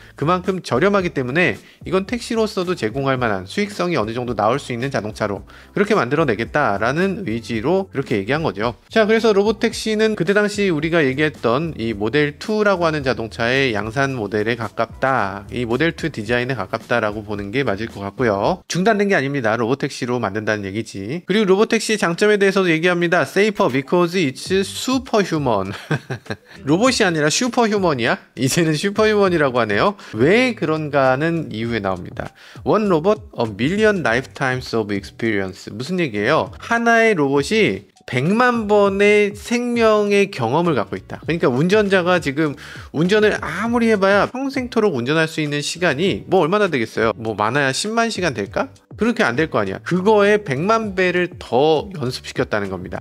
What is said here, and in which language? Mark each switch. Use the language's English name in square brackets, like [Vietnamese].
[Korean] 그만큼 저렴하기 때문에 이건 택시로서도 제공할 만한 수익성이 어느 정도 나올 수 있는 자동차로 그렇게 만들어내겠다라는 의지로 그렇게 얘기한 거죠. 자, 그래서 로보택시는 그때 당시 우리가 얘기했던 이 모델2라고 하는 자동차의 양산 모델에 가깝다. 이 모델2 디자인에 가깝다라고 보는 게 맞을 것 같고요. 중단된 게 아닙니다. 로보택시로 만든다는 얘기지. 그리고 로보택시의 장점에 대해서도 얘기합니다. [English] Safer because it's superhuman. [Korean] 로봇이 아니라 슈퍼휴먼이야? 이제는 슈퍼휴먼이라고 하네요. 왜 그런가는 이후에 나옵니다. [English] One robot, a million lifetimes of experience. [Korean] 무슨 얘기예요? 하나의 로봇이 100만 번의 생명의 경험을 갖고 있다. 그러니까 운전자가 지금 운전을 아무리 해봐야 평생토록 운전할 수 있는 시간이 뭐 얼마나 되겠어요? 뭐 많아야 10만 시간 될까? 그렇게 안 될 거 아니야. 그거에 100만 배를 더 연습시켰다는 겁니다.